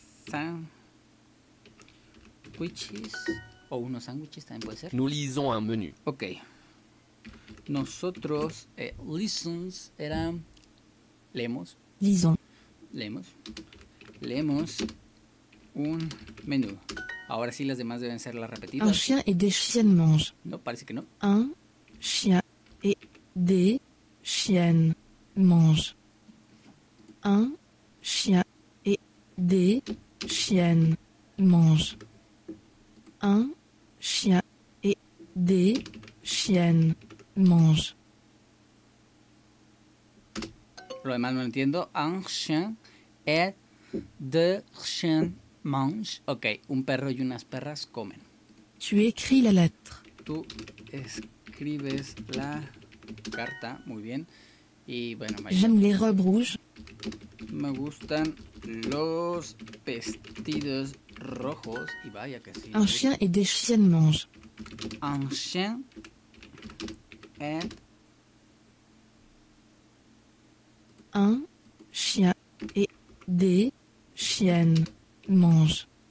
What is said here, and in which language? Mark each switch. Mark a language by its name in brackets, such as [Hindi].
[Spanish] Sandwiches o unos sándwiches también puede ser. [French] Nous lisons un menu. Ok. [Spanish] Nosotros listens era leemos. [French] Lisons. [Spanish] Leemos. Leemos un menú. Ahora sí las demás deben ser las repetidas. [French] Un chien et des chiennes mangent. [Spanish] No, parece que no. [French] Un chien et des chiennes mangent. Un chien et des chienne mange. Un chien et des chiennes mangent. [Spanish] Lo demás no entiendo. [French] Un chien et des chiens mangent. [Spanish] Ok, un perro y unas perras comen. [French] Tu écris la lettre. [Spanish] Tú escribes la carta. Muy bien. Y bueno, [French] j'aime les robes rouges. [Spanish] Me gustan los vestidos rojos. Y vaya que sí. [French] Un chien et des chiennes mangent. Un chien And un chien et des chiennes mangent.